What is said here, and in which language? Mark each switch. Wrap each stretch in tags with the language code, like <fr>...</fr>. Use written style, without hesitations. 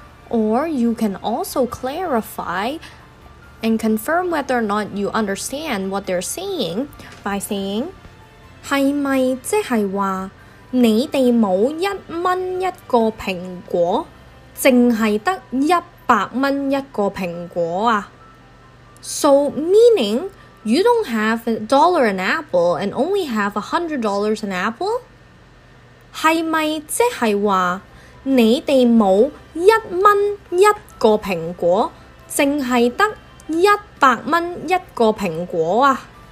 <en>Or you can also clarify and confirm whether or not you understand what they're saying by saying,</en> <yue>是不是即是说你们没一蚊一个苹果只是得一百蚊一个苹果啊</yue> <en>So meaning, you don't have a dollar an apple and only have $100 an apple?</en> <yue>是不是即是说你哋冇一蚊一个苹果，净系得一百蚊一个苹果啊！</yue>